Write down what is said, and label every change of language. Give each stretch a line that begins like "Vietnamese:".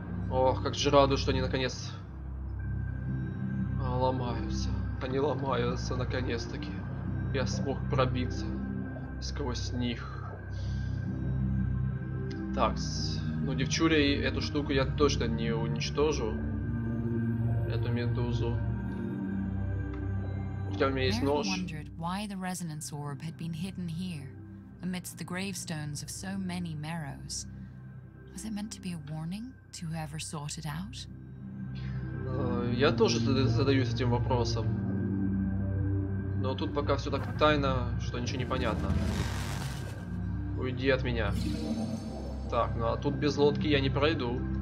Russian: Ох, как же радую, что они наконец... ломаются. Они ломаются наконец-таки. Я смог пробиться сквозь них. Так, ну девчуля, эту штуку я точно не уничтожу. Эту медузу. Хотя у меня есть нож.
English: Эрин wondered why the resonance orb had been hidden here, amidst the gravestones of so many Marrows. Was it meant to be a warning to whoever sought it out?
Russian: Я тоже задаюсь этим вопросом. Но тут пока все так тайно, что ничего не понятно. Уйди от меня. Так, ну а тут без лодки я не пройду.